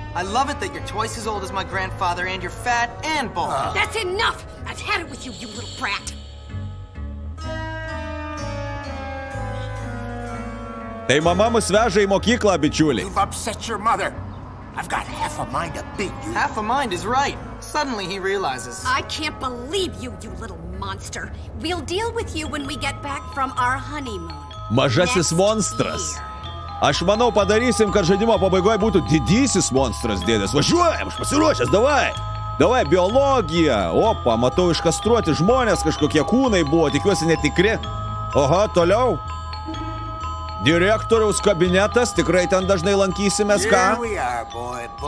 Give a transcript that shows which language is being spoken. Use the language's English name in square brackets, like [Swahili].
[English] I love it that you're twice as old as my grandfather and you're fat and bald. That's enough! I've had it with you, you little brat! [Lithuanian] Tai mama mus veža į mokyklą, bičiuliai. [English] You've upset your mother. I've got half a mind to beat you. Half a mind is right. Suddenly he realizes. I can't believe you, you little monster. We'll deal with you when we get back from our honeymoon. [Lithuanian] Mažasis monstras. Aš manau, padarysim, kad žaidimo pabaigoje būtų didysis monstras, dėdės. Važiuojam, aš pasiruošęs, davai. Davai, biologija. Opa, matau iškastruoti žmonės, kažkokie kūnai buvo, tikiuosi netikri. Oho, toliau. Direktoriaus kabinetas, tikrai ten dažnai lankysimės, ką?